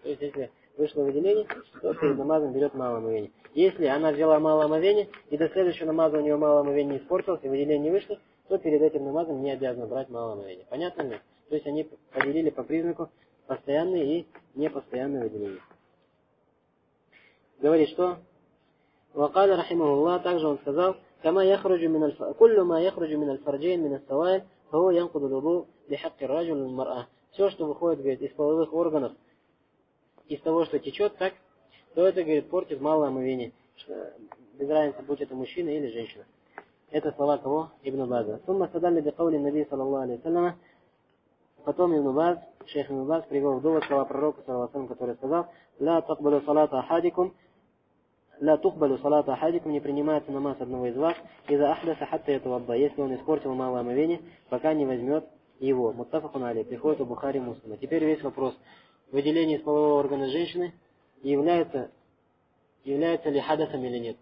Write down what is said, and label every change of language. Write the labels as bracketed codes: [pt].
[ru] То есть, если вышло выделение, то перед намазом берет мало омовение. Если она взяла мало омовение, и до следующего намаза у нее мало омовение испортилось, и выделение не вышло, то перед этим намазом не обязана брать мало омовение. Понятно ли? То есть, они поделили по признаку постоянное и непостоянное выделение. Говорит, что... [ar] وقال رحمه الله [ru] также он сказал [ar] كما يخرج من كل ما يخرج من الفرجين من السوائل فهو ينقض الوضوء بحق الرجل والمرأة. [ru] Все, что выходит, говорит, из половых органов, из того, что течет, так, то это, говорит, портит мало омовение, без разницы, будь это мужчина или женщина. Это слова кого? Ибн База. [ar] ثم استدل بقول النبي صلى الله عليه وسلم. [ru] Потом Ибн Баз, шейх Ибн Баз, привел в довод слова пророка صلى الله عليه وسلم, который сказал [ar] لا تقبل صلاة أحدكم «Ла тухбалю салата ахадикум» [ru] — не принимается намаз одного из вас «из-за ахдаса [ar] хатта ятуабба» [ru] — если он испортил мало омовение, пока не возьмет его. Муттафакун алейхи, приходит у Бухари Муслима. Теперь весь вопрос. Выделение из полового органа женщины является ли хадасом или нет?